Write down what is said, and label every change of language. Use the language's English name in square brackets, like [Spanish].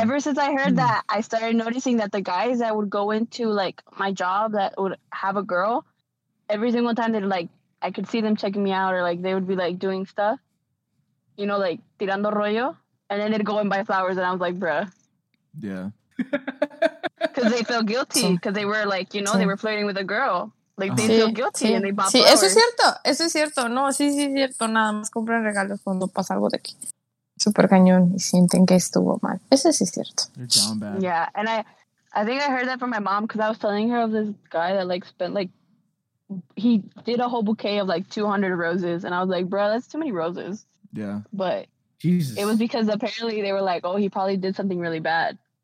[English] Ever since I heard that, I started noticing that the guys that would go into, like, my job that would have a girl, every single time they'd, like, I could see them checking me out or, like, they would be, like, doing stuff, you know, like, [Spanish] tirando rollo, [English] and then they'd go and buy flowers, and I was like, bruh. Yeah. Because they feel guilty because they were, like, you know, they were flirting with a girl. Like, they feel [Spanish] sí, [English] guilty [Spanish] sí, [English] and they bought [Spanish] sí, [English] flowers. [Spanish] Eso es cierto, no, sí, sí, es cierto, nada más compran regalos cuando pasa algo de aquí. Súper cañón y sienten que estuvo mal. Eso sí es cierto. [English] Yeah, and I think I heard that from my mom because I was telling her of this guy that, like, spent, like, he did a whole bouquet of, like, 200 roses and I was like, bro, that's too many roses. Yeah. But Jesus. It was because apparently they were like, oh, he probably did something really bad.